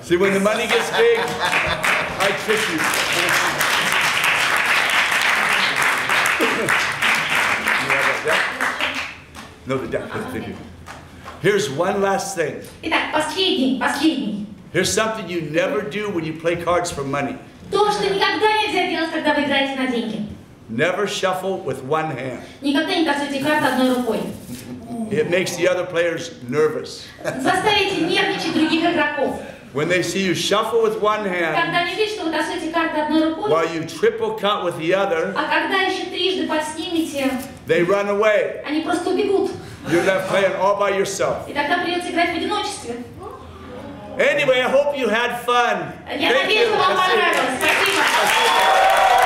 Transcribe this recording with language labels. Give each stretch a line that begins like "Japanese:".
English: See, when the money gets big, I trick you. No, the deck. Here's one last thing.
Russian: Итак, последний.
English: Here's something you never do when you play cards for money.
Russian: То, что никогда нельзя делать, когда вы играете на деньги.
English: Never shuffle with one hand.
Russian: Никогда не тасуйте карты одной рукой.
English: It makes the other players nervous.
Russian: Заставите нервничать других игроков.
English: When they see you shuffle with one hand,
Russian: когда они видят, что вы тасуете карты одной рукой,
English: while you triple cut with the other,
Russian: а когда еще трижды подснимете,
English: they run away.
Russian: Они просто убегут.
English: You're left playing all by yourself.
Russian: И тогда придется играть в одиночестве.
English: Anyway, I hope you had fun.
Russian: Я надеюсь, вам понравилось. Спасибо.